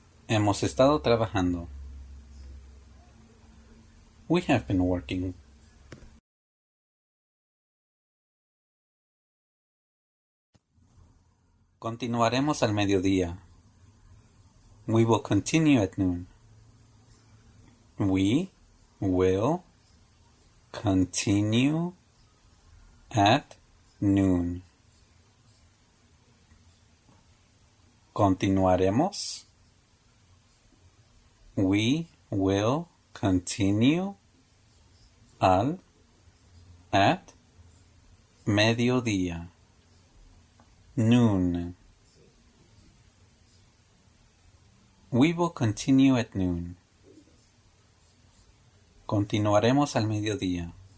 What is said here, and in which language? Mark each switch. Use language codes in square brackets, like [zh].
[es] Hemos estado trabajando. [en] We have been working. [es] Continuaremos al mediodía. [en] We will continue at noon. We will continue at noon. [es] Continuaremos. [en] We will continue [es] al [en] at [es] mediodía. [en] Noon. We will continue at noon. [es] Continuaremos al mediodía.